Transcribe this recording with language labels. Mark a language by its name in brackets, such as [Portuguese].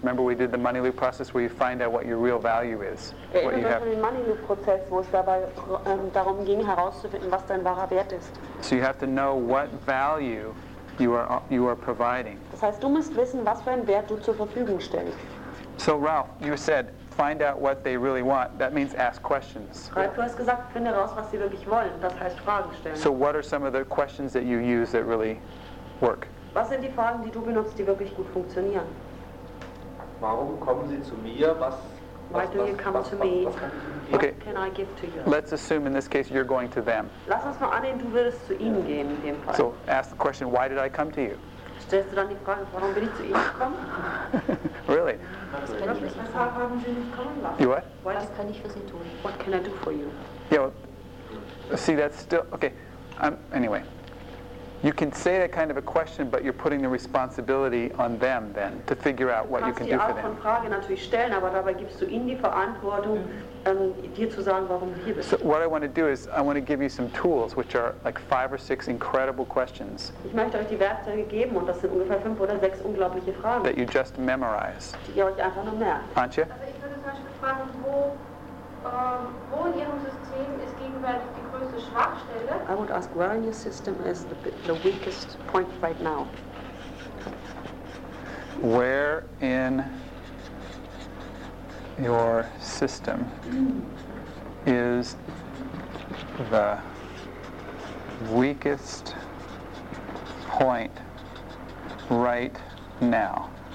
[English] Remember we did the money loop process where you find out what your real value is. What you have. [German] Money loop process, wo es dabei darum ging, herauszufinden, was dein wahrer Wert ist. [English] So you have to know what value you are providing. [German] Das heißt, du musst wissen, was für einen Wert du zur Verfügung stellst. [English] So Ralph, you said, find out what they really want. That means ask questions. [German] Ralph, du hast gesagt, finde raus, was sie wirklich wollen. Das heißt, Fragen stellen. [English] So what are some of the questions that you use that really work? [German] Was sind die Fragen, die du benutzt, die wirklich gut funktionieren? Warum kommen sie zu mir? [English] Why do you come to me? Okay. What can I give to you? Let's assume in this case you're going to them. [German] Lass uns mal annehmen, du würdest zu ihnen gehen in dem Fall. [English] So ask the question, why did I come to you? [German] Stellst du dann die Frage, warum bin ich zu Ihnen gekommen? [English] Really? [German] Was haben Sie nicht kommen lassen? [English] You what? [German] Was kann ich für Sie tun? [English] What can I do for you? Yeah, well, see, that's still, okay. Anyway, you can say that kind of a question, but you're putting the responsibility on them then to figure out what you can do for them. [German] Du kannst die Art von Frage natürlich stellen, aber dabei gibst du ihnen die Verantwortung, dir zu sagen, warum du hier bist. [English] So what I want to do is I want to give you some tools, which are like 5 or 6 incredible questions. [German] Ich möchte euch die Werkzeuge geben, und das sind ungefähr 5 oder 6 unglaubliche Fragen. [English] That you just memorize. [German] Die ihr euch einfach nur merkt. [English] Antje? [German] Also ich würde zum Beispiel fragen, wo in Ihrem System ist gegenwärtig die größte Schwachstelle? [English] I would ask where in your system is the weakest point right now. Where in your system is the weakest point right now?